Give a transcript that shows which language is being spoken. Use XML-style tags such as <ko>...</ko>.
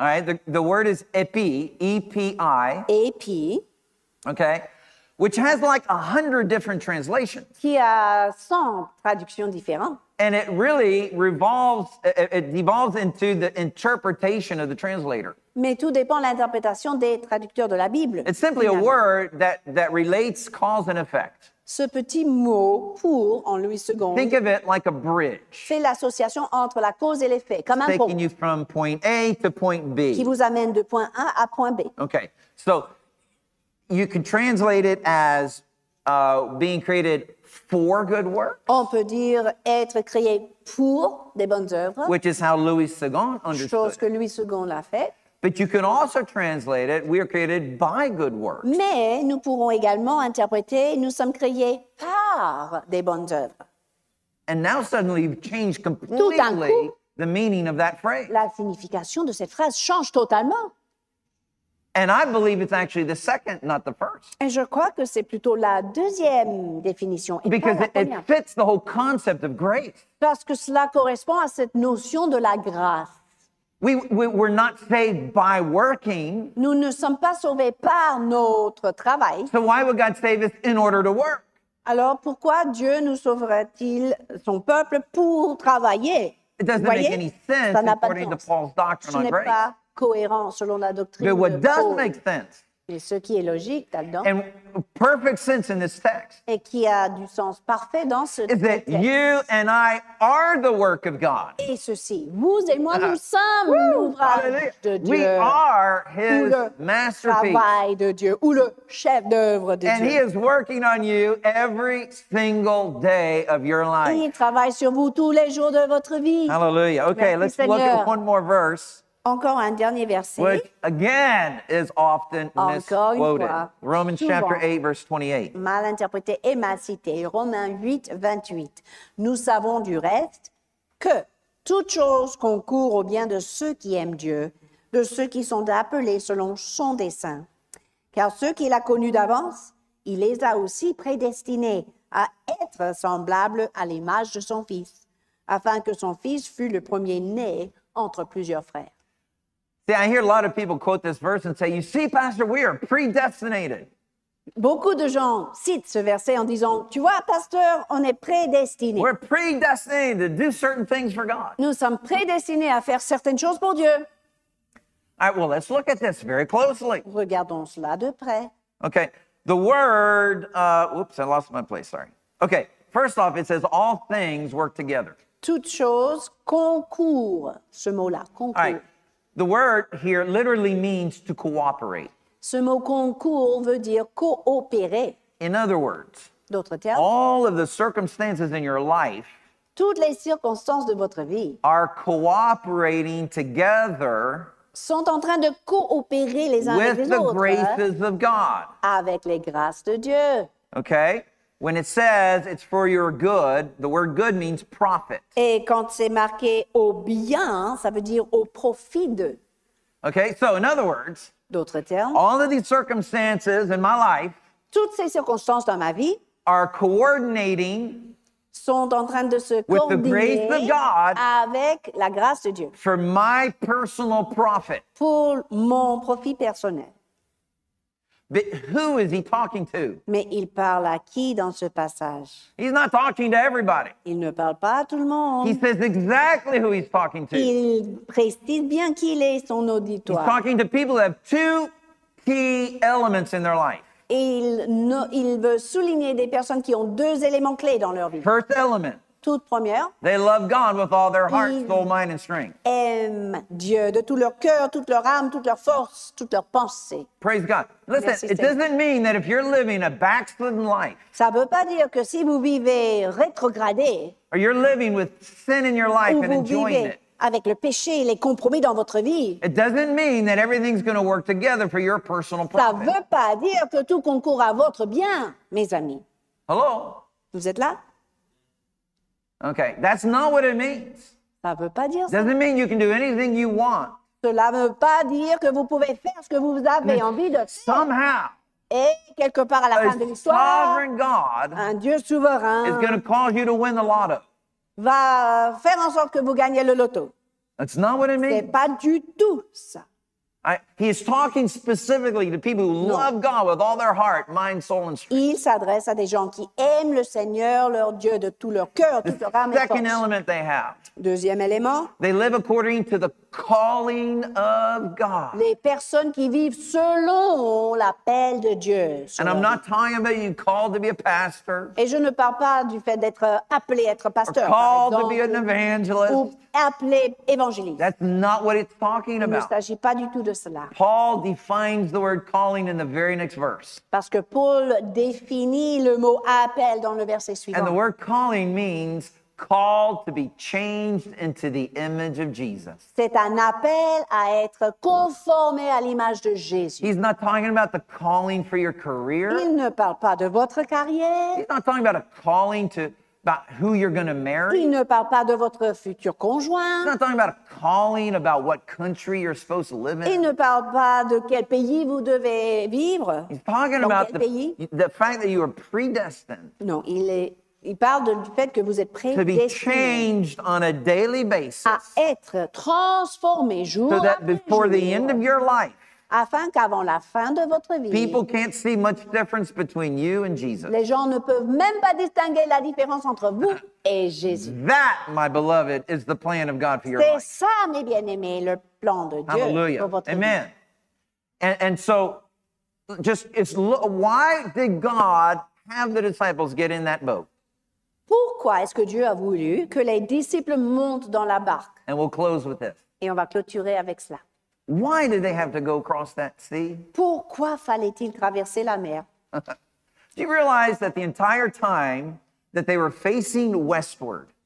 <en>All right, the word is epi, E-P-I. Epi. Okay. Which has like 100 different translations.</en> <fr>Qui a 100 traductions différentes.</fr> <en>And it really revolves, it devolves into the interpretation of the translator.</en> <fr>Mais tout dépend de l'interprétation des traducteurs de la Bible.</fr> <en>It's simply a word that relates cause and effect.</en> <fr>Ce petit mot pour en lui seconde.</fr> <en>Think of it like a bridge.</en> <fr>Fait l'association entre la cause et l'effet, comme un pont.</fr> <en>Taking you from point A to point B.</en> <fr>Qui vous amène de point A à point B.</fr> <en>Okay, so you can translate it as being created for good works.</en> <fr>On peut dire être créé pour des bonnes œuvres.</fr> <en>Which is how Louis II understood.</en> <fr>Chose que Louis II l'a fait.</fr> <en>But you can also translate it, we are created by good works.</en> <fr>Mais nous pourrons également interpréter, nous sommes créés par des bonnes œuvres.</fr> <en>And now suddenly you've changed completely the meaning of that phrase.</en> <fr>La signification de cette phrase change totalement.</fr> <en>And I believe it's actually the second, not the first.</en> <fr>Et je crois que c'est plutôt la deuxième définition.</fr> <en>Because it fits the whole concept of grace.</en> <fr>Parce que cela correspond à cette notion de la grâce.</fr> <en>We're not saved by working.</en> <fr>Nous ne sommes pas sauvés par notre travail.</fr> <en>So why would God save us in order to work?</en> <fr>Alors pourquoi Dieu nous sauverait-il son peuple pour travailler?</fr> <en>It doesn't</en> <fr>Voyez?</fr> <en>Make any sense according to Paul's doctrine on grace.</en> <fr>Pas cohérent selon la doctrine</fr> <en>but what</en> <fr>de</fr> <en>does</en> <fr>Paul,</fr> <en>make sense?</en> <fr>Et ce qui est logique là-dedans.</fr> <en>And perfect sense in this text.</en> <fr>Et qui a du sens parfait dans ce texte.</fr> <en>Is that you and I are the work of God.</en> <fr>Et ceci, vous et moi, nous sommes l'ouvrage de Dieu.</fr> <en>We are his masterpiece.</en> <fr>Le travail de Dieu, ou le chef d'œuvre de Dieu.</fr> <en>And he is working on you every single day of your life.</en> <fr>Et il travaille sur vous tous les jours de votre vie.</fr> <en>Hallelujah. Okay,</en> <fr>Merci,</fr> <en>let's</en> <fr>Seigneur.</fr> <en>Look at one more verse.</en> <fr>Encore un dernier verset.</fr> <en>Which, again, is often</en> <fr>Encore</fr> <en>misquoted.</en> <fr>Fois,</fr> <en>Romans</en> <fr>souvent,</fr> <en>chapter 8, verse 28.</en> <fr>Mal interprété et mal cité. Romains 8, 28. Nous savons du reste que toute chose concourt au bien de ceux qui aiment Dieu, de ceux qui sont appelés selon son dessein. Car ceux qu'il a connus d'avance, il les a aussi prédestinés à être semblables à l'image de son Fils, afin que son Fils fût le premier-né entre plusieurs frères.</fr> <en>See, I hear a lot of people quote this verse and say, you see, Pastor, we are predestinated.</en> <fr>Beaucoup de gens citent ce verset en disant, tu vois, Pasteur, on est prédestinés.</fr> <en>We're predestined to do certain things for God.</en> <fr>Nous sommes prédestinés à faire certaines choses pour Dieu.</fr> <en>All right, well, let's look at this very closely.</en> <fr>Regardons cela de près.</fr> <en>Okay, the word, I lost my place, sorry. Okay, first off, it says, all things work together.</en> <fr>Toute chose concourt, ce mot-là, concourt.</fr> <en>All right. The word here literally means to cooperate.</en> <fr>Ce mot concourt veut dire coopérer.</fr> <en>In other words,</en> <fr>d'autres termes,</fr> <en>all of the circumstances in your life</en> <fr>toutes les circonstances de votre vie</fr> <en>are cooperating together</en> <fr>sont en train de coopérer les uns</fr> <en>with</en> <fr>avec les</fr> <en>the</en> <fr>autres</fr> <en>graces of God.</en> <fr>Avec les grâces de Dieu.</fr> <en>Okay? When it says it's for your good, the word good means profit.</en> <fr>Et quand c'est marqué au bien, ça veut dire au profit de.</fr> <en>Okay, so in other words,</en> <fr>d'autres termes,</fr> <en>all of these circumstances in my life</en> <fr>toutes ces circonstances dans ma vie</fr> <en>are coordinating</en> <fr>sont en train de se</fr> <en>with the grace of God</en> <fr>avec la grâce de Dieu</fr> <en>for my personal profit.</en> <fr>Pour mon profit personnel.</fr> <en>But who is he talking to?</en> <fr>Mais il parle à qui dans ce passage?</fr> <en>He's not talking to everybody.</en> <fr>Il ne parle pas à tout le monde.</fr> <en>He says exactly who he's talking to.</en> <fr>Il précise bien qui il est son auditoire.</fr> <en>He's talking to people who have two key elements in their life.</en> <fr>Il veut souligner des personnes qui ont deux éléments clés dans leur vie.</fr> <en>First element.</en> <fr>Toute première.</fr> <en>They love God with all their heart, soul, mind, and strength.</en> <fr>Ils aiment Dieu de tout leur cœur, toute leur âme, toute leur force, toute leur pensée.</fr> <en>Praise God. Listen,</en> <fr>Merci</fr> <en>it</en> <fr>Seigneur.</fr> <en>Doesn't mean that if you're living a backslidden life.</en> <fr>Ça veut pas dire que si vous vivez rétrogradé.</fr> <en>Or you're living with sin in your life and enjoying</en> <fr>vivez</fr> <en>it.</en> <fr>Avec le péché et les compromis dans votre vie.</fr> <en>It doesn't mean that everything's going to work together for your personal profit.</en> <fr>Ça veut pas dire que tout concourt à votre bien, mes amis.</fr> <en>Hello.</en> <fr>Vous êtes là?</fr> <en>Okay, that's not what it means.</en> <fr>Ça veut pas dire ça.</fr> <en>Doesn't mean you can do anything you want.</en> <fr>Cela ne veut pas dire que vous pouvez faire ce que vous avez envie de faire.</fr> <en>Somehow.</en> <fr>Et quelque part à la fin de l'histoire, un Dieu souverain</fr> <en>is going to cause you to win the lotto.</en> <fr>Va faire en sorte que vous gagnez le loto.</fr> <en>That's not what it means.</en> <fr>C'est pas du tout ça.</fr> <en>He is talking specifically to people who love God with all their heart, mind, soul, and strength.</en> <fr>Il s'adresse à des gens qui aiment le Seigneur, leur Dieu, de tout leur cœur, toute leur âme et</fr> <en>force. Second element they have.</en> <fr>Deuxième élément.</fr> <en>They live according to the calling of God.</en> <fr>Les personnes qui vivent selon l'appel de Dieu.</fr> <en>And I'm not talking about you called to be a pastor.</en> <fr>Et je ne parle pas du fait d'être appelé à être pasteur.</fr> <en>Or called to be an evangelist.</en> <fr>Ou appelé évangéliste.</fr> <en>That's not what it's talking about.</en> <fr>Il ne s'agit pas du tout de cela.</fr> <en>Paul defines the word calling in the very next verse.</en> <fr>Parce que Paul définit le mot appel dans le verset suivant.</fr> <en>And the word calling means called to be changed into the image of Jesus.</en> <fr>C'est un appel à être conformé à l'image de Jésus.</fr> <en>He's not talking about the calling for your career.</en> <fr>Il ne parle pas de votre carrière.</fr> <en>He's not talking about a calling to about who you're going to marry.</en> <fr>Il ne parle pas de votre futur conjoint.</fr> <en>He's not talking about a calling about what country you're supposed to live in.</en> <fr>Il ne parle pas de quel pays vous devez vivre.</fr> <en>He's talking</en> <fr>dans</fr> <en>about the fact that you are predestined.</en> <fr>Non, il parle du fait que vous êtes prédestiné.</fr> <en>To be changed on a daily basis.</en> <fr>À être transformé jour après jour.</fr> <en>So that before the end of your life.</en> <fr>Afin qu'avant la fin de votre vie,</fr> <en>people can't see much difference between you and Jesus.</en> <fr>Les gens ne peuvent même pas distinguer la différence entre vous et Jésus.</fr> <en>That, my beloved, is the plan of God for your</en> <fr>c'est</fr> <en>life.</en> <fr>C'est ça, mes bien-aimés, le plan de Dieu</fr> <en>Hallelujah.</en> <fr>Pour votre</fr> <en>Amen.</en> <fr>Vie.</fr> <en>And so, just it's why did God have the disciples get in that boat?</en> <fr>Pourquoi est-ce que Dieu a voulu que les disciples montent dans la barque?</fr> <en>And we'll close with this.</en> <fr>Et on va clôturer avec cela.</fr> <en>Why did they have to go across that sea?</en> <fr>Pourquoi fallait-il traverser la mer?</fr> <en>Do you realize that the entire time that they were facing westward?</en>